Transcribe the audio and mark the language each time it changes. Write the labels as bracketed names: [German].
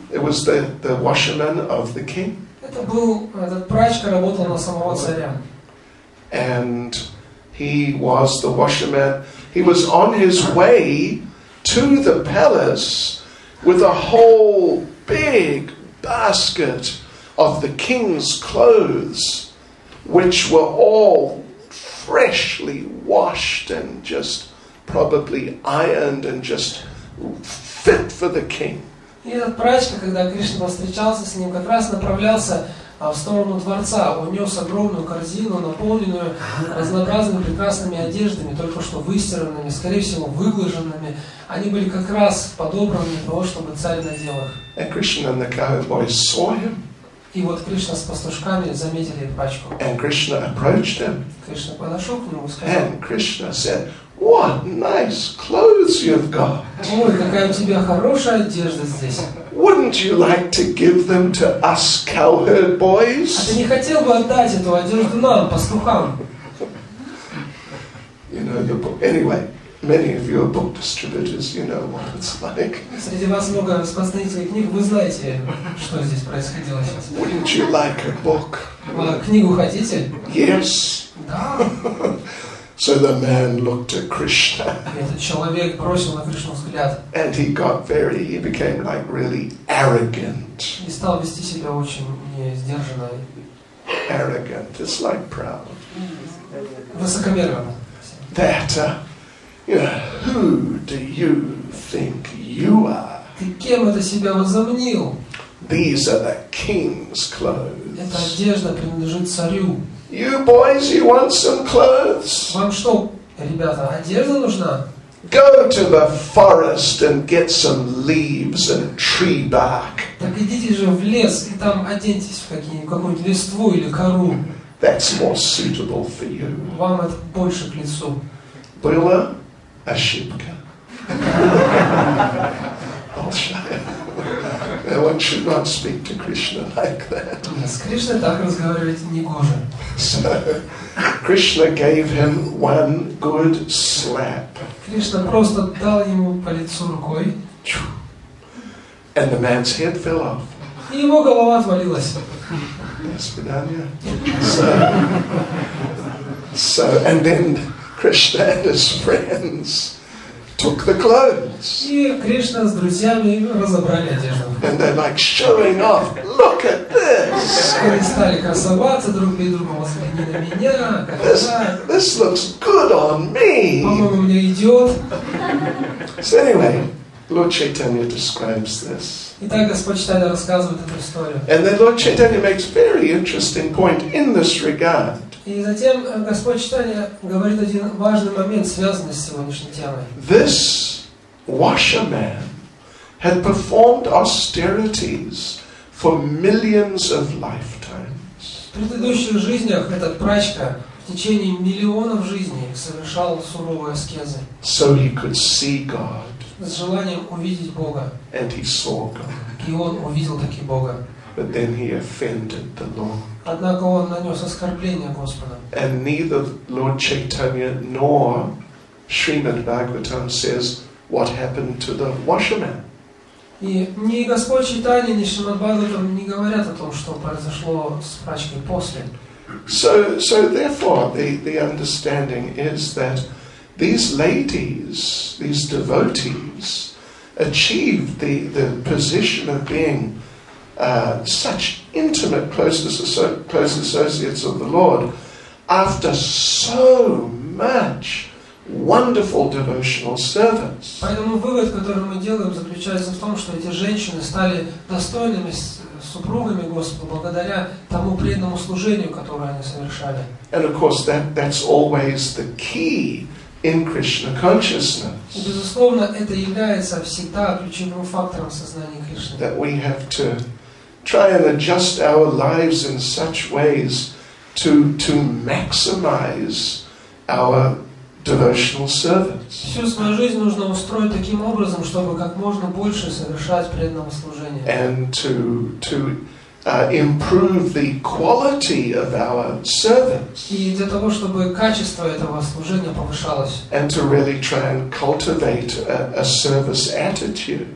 [English] It was the washerman of the king. [Russian] Этот прачка работал на самого царя. [English] And he was the washerman. He was on his way to the palace with a whole big basket of the king's clothes, which were all freshly washed and just probably ironed and just fit for the king. [Russian] И этот прачка, когда Кришна встречался с ним, как раз направлялся в сторону дворца. Он нес огромную корзину, наполненную разнообразными прекрасными одеждами, только что выстиранными, скорее всего, выглаженными. Они были как раз подобраны для того, чтобы царь надел их. [English] And Krishna and the cowboy saw him. [Russian] И вот Кришна с пастушками заметили прачку. [English] And Krishna approached him. [Russian] Кришна подошел к нему и сказал. [English] And Krishna said, "What nice clothes you've got!" [Russian] Ой, какая у тебя хорошая одежда здесь. [English] Wouldn't you like to give them to us cowherd boys? [Russian] А ты не хотел бы отдать эту одежду нам, пастухам? [English] You know the book. Anyway, many of you are book distributors. You know what it's like. [Russian] Среди вас много распространителей книг. Вы знаете, что здесь происходило сейчас. [English] Wouldn't you like a book? [Russian] Книгу хотите? [English] Yes. [Russian] Да. [English] So the man looked at Krishna. [Russian] Этот человек бросил на Кришну взгляд. [English] And he got very, he became like really arrogant. [Russian] И стал вести себя очень не сдержанно. [English] Arrogant, it's like proud. [Russian] Высокомерно. [English] That, who do you think you are? [Russian] Ты кем это себя возомнил? [English] These are the king's clothes. [Russian] Эта одежда принадлежит царю. [English] You boys, you want some clothes? [Russian] Вам что, ребята, одежда нужна? [English] Go to the forest and get some leaves and tree bark. [Russian] Так идите же в лес и там оденьтесь в какую-нибудь листву или кору. [English] That's more suitable for you. [Russian] Вам это больше к лицу. Была ошибка. Большая. [English] One should not speak to Krishna like that. [Russian] С Кришной так разговаривать не гоже. [English] So, Krishna gave him one good slap. [Russian] Кришна просто дал ему по лицу рукой. [English] And the man's head fell off. [Russian] И его голова отвалилась. До свидания. [English] So, and then Krishna and his friends took the clothes. [Russian] И Кришна с друзьями разобрали одежду. [English] And they're like showing off. Look at this. [Russian] Они стали красоваться друг перед другом. Смотри на меня. [English] This looks good on me. [Russian] По-моему, мне идет. [English] So anyway, Lord Chaitanya describes this. [Russian] Итак, Господь Чайтанья рассказывает эту историю. [English] And then Lord Chaitanya makes very interesting point in this regard. [Russian] И затем Господь Читания говорит один важный момент, связанный с сегодняшней темой. [English] This washerman had performed austerities for millions of lifetimes. [Russian] В предыдущих жизнях этот прачка в течение миллионов жизней совершал суровые аскезы. [English] So he could see God. [Russian] С желанием увидеть Бога. [English] And he saw God. [Russian] И он увидел таки Бога. [English] But then he offended the Lord. [Russian] Однако он нанес оскорбление Господу. [English] And neither Lord Chaitanya nor Srimad Bhagavatam says what happened to the washerman. [Russian] И ни Господь Чайтанья, ни Шримад Бхагаватам не говорят о том, что произошло с прачкой после. [English] So therefore the understanding is that these ladies, these devotees, achieved the position of being such intimate close associates of the Lord after so much wonderful devotional service. [Russian] Поэтому вывод, который мы делаем, заключается в том, что эти женщины стали достойными супругами Господа благодаря тому преданному служению, которое они совершали. [English] And of course that's always the key in Krishna consciousness. [Russian] Безусловно, это является всегда ключевым фактором сознания Кришны. [English] That we have to try and adjust our lives in such ways to maximize our devotional service. [Russian] Всю свою жизнь нужно устроить таким образом, чтобы как можно больше совершать преданного служения. [English] And to improve the quality of our service. [Russian] И для того, чтобы качество этого служения повышалось. [English] And to really try and cultivate a service attitude.